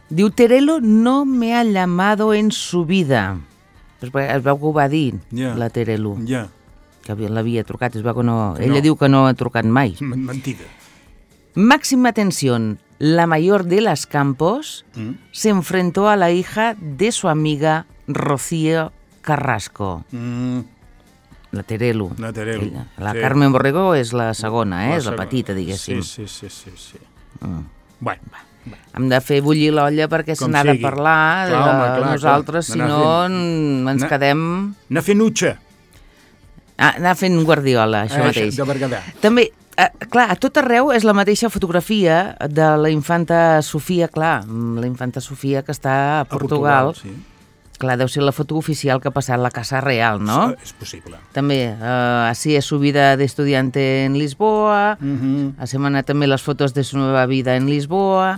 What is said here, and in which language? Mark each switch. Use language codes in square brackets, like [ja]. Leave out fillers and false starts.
[ca] Diu, [es] Terelu no me ha llamado en su vida. [ca] Es veu que ho va dir, la Terelu. Ja. Que l'havia trucat, es veu que no... Ella diu que no ha trucat mai. Mentida. Màxima atenció. [es] La mayor de las Campos se enfrentó a la hija de su amiga Rocío Carrasco. [ca] La Terelu. La sí. Carmen Borrego és la segona, eh? És la petita, diguéssim. Sí. Mm. Bueno. Hem de fer bullir l'olla perquè se n'ha de parlar nosaltres, si no ens quedem... Anar fent utxa. Anar fent guardiola, això mateix. De Berguedà. També, clar, a tot arreu és la mateixa fotografia de la infanta Sofia, clar, la infanta Sofia que està a Portugal. Clar, deu ser la foto oficial que ha passat la Casa Real, no? És possible. També, [es] así es su vida de estudiante en Lisboa, [ca] ha semanat també les fotos [es] de su nueva vida en Lisboa.